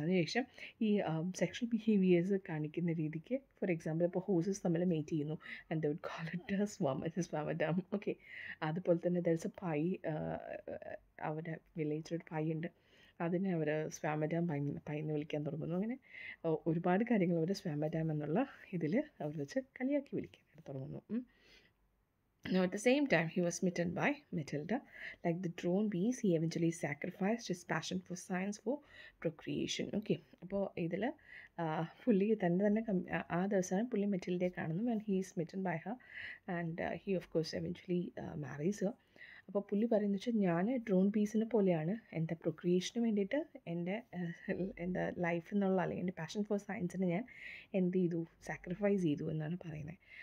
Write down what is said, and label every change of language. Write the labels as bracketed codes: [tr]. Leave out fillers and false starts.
[ml] അതിനുശേഷം ഈ sexual behaviours കാണിക്കുന്ന രീതിക്ക്, ഫോർ എക്സാമ്പിൾ ഇപ്പോൾ ഹോസസ് തമ്മിൽ മീറ്റ് ചെയ്യുന്നു [en] And the would call it സ്വാമറ്റ. [ml] Okay, അതുപോലെ തന്നെ [en] there is a pie, [ml] അവരുടെ വില്ലേജിൽ ഒരു പൈ ഉണ്ട്, അതിനെ അവർ സ്വാമറ്റാം പൈ എന്ന് വിളിക്കാൻ തുടങ്ങുന്നു. അങ്ങനെ ഒരുപാട് കാര്യങ്ങൾ അവർ സ്വാമറ്റാം എന്നുള്ള ഇതിൽ അവർ വെച്ച് കളിയാക്കി വിളിക്കാൻ തുടങ്ങുന്നു. [en] Now at the same time, he was smitten by Matilda. Like the drone bees, he eventually sacrificed his passion for science for procreation. [ml] Okay, അപ്പോൾ ഇതിൽ പുള്ളി തന്നെ ആ ദിവസമാണ് പുള്ളി മെറ്റിൽഡയെ കാണുന്നു. [en] And he is smitten by her and he of course eventually marries her. [ml] അപ്പോൾ പുള്ളി പറയുന്നത് വെച്ചാൽ, ഞാൻ ഡ്രോൺ പീസിനെ പോലെയാണ് എൻ്റെ പ്രൊക്രിയേഷന് വേണ്ടിയിട്ട് എൻ്റെ എന്താ ലൈഫ് എന്നുള്ള അല്ലെങ്കിൽ എൻ്റെ പാഷൻ ഫോർ സയൻസിനെ ഞാൻ എന്ത് ചെയ്തു, സാക്രിഫൈസ് ചെയ്തു എന്നാണ് പറയുന്നത്.